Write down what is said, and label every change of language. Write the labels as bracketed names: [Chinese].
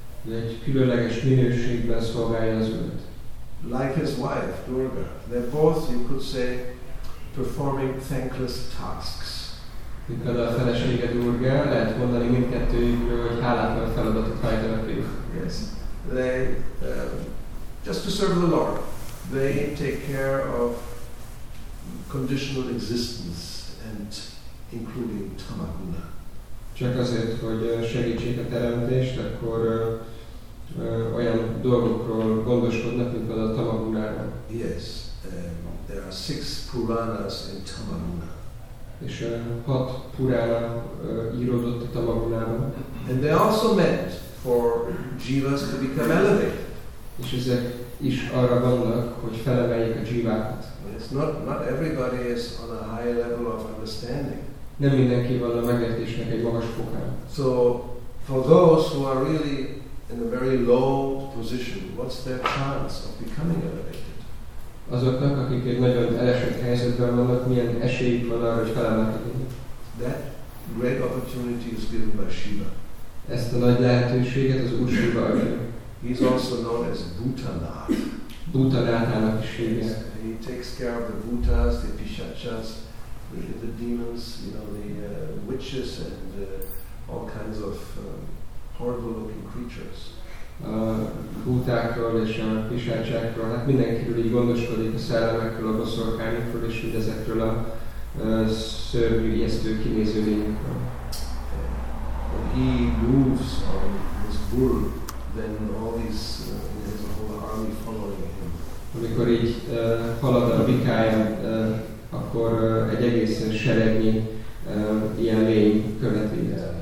[Hungarian] Egy különleges minőségben szolgálja az Urat. [English] Like his wife, Durga. They're both, you could say, performing thankless tasks. [Hungarian] Mint a felesége Durga, lehet mondani mindkettőjükről, hogy hálátlan feladatot hajtanak végre. [English] Yes. They, just to serve the Lord, they take care of conditional existence and including tamaguna. [Hungarian] Csak azért, hogy segítsék a teremtést, akkor olyan dolgokról gondoskodnak, mint például a tamagunára. [English] Yes. There are 6 Puranas in Tamaguna. [Hungarian] És 6 Purana íródott a Tamagunában. [English] And they also meant for jivas to become elevated. [Hungarian] És ezek is arra vannak, hogy felemeljék a jivákat. [English] It's not everybody is on a high level of understanding. [Hungarian] Nem mindenki van a megértésnek egy magas fokán. [English] So, for those who are really in a very low position, what's their chance of becoming elevated? [Hungarian] Azoknak, akik egy nagyon elesett helyzetben vannak, milyen esélyük van arra, hogy felemelkedjenek? [English] That great opportunity is given by Shiva. [Hungarian] Ezt a nagy lehetőséget az Úr Shiva adja. [English] He's also known as Bhutanath. [Hungarian] Bhutanathának is hívják. [English] He takes care of the Bhutas, the Pishachas, the demons, witches, and all kinds of horrible-looking creatures. [Hungarian] A bútákról és a pisácsákról, hát mindenkiről így gondoskodik, a szellemekről, a boszorkányokról, és mindezekről a szörnyű, ijesztő, kinéző lényekről. [English] When he moves on his bull, then all these, there's a whole army following him. [Hungarian] Amikor így halad a bikáján, akkor egy egészen seregnyi ilyen lény követi.